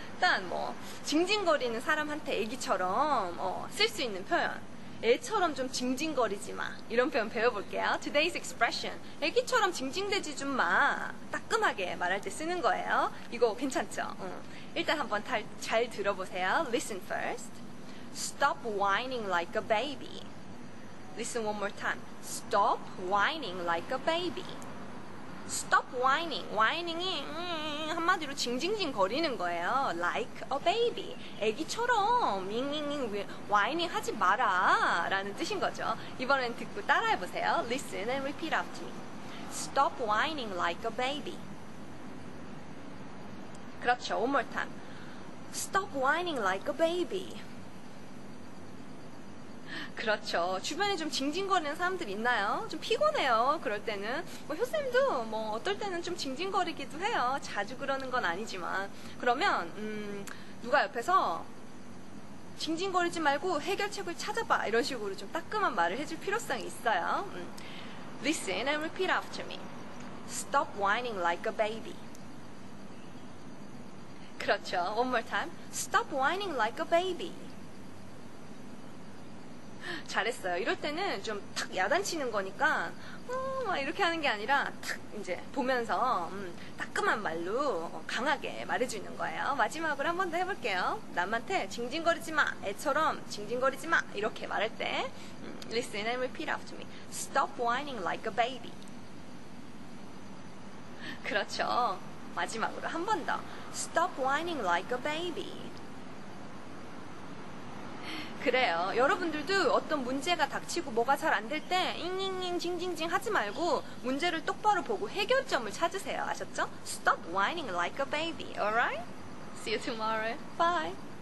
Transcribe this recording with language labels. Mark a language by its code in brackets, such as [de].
[ko] 일단 뭐 징징거리는 사람한테 애기처럼 쓸 수 있는 표현. 애처럼 좀 징징거리지 마. 이런 표현 배워볼게요. [en] Today's expression. [ko] 애기처럼 징징대지 좀 마. 따끔하게 말할 때 쓰는 거예요. 이거 괜찮죠? 일단 한번 잘 들어보세요. [en] Listen first. Stop whining like a baby. Listen one more time. Stop whining like a baby. Stop whining. [ko] Whining이 한마디로 징징징거리는 거예요. [en] Like a baby. [ko] 애기처럼 whining 하지 마라 라는 뜻인 거죠. 이번엔 듣고 따라해보세요. [en] Listen and repeat after me. Stop whining like a baby. [ko] 그렇죠. [en] One more time. Stop whining like a baby. [ko] 그렇죠. 주변에 좀 징징거리는 사람들 있나요? 좀 피곤해요. 그럴 때는. 뭐 효쌤도 뭐 어떨 때는 좀 징징거리기도 해요. 자주 그러는 건 아니지만. 그러면 누가 옆에서 징징거리지 말고 해결책을 찾아봐. 이런 식으로 좀 따끔한 말을 해줄 필요성이 있어요. [en] Listen and repeat after me. Stop whining like a baby. [ko] 그렇죠. [en] One more time. Stop whining like a baby. [ko] 잘했어요. 이럴 때는 좀 탁 야단치는 거니까 막 이렇게 하는 게 아니라 탁 이제 보면서 따끔한 말로 강하게 말해주는 거예요. 마지막으로 한 번 더 해볼게요. 남한테 징징거리지 마. 애처럼 징징거리지 마. 이렇게 말할 때 [en] Listen and repeat after me. Stop whining like a baby. [ko] 그렇죠. 마지막으로 한 번 더. [en] Stop whining like a baby. [ko] 그래요. 여러분들도 어떤 문제가 닥치고 뭐가 잘 안 될 때 잉잉잉 징징징 하지 말고 문제를 똑바로 보고 해결점을 찾으세요. 아셨죠? [en] Stop whining like a baby. Alright? See you tomorrow. Bye.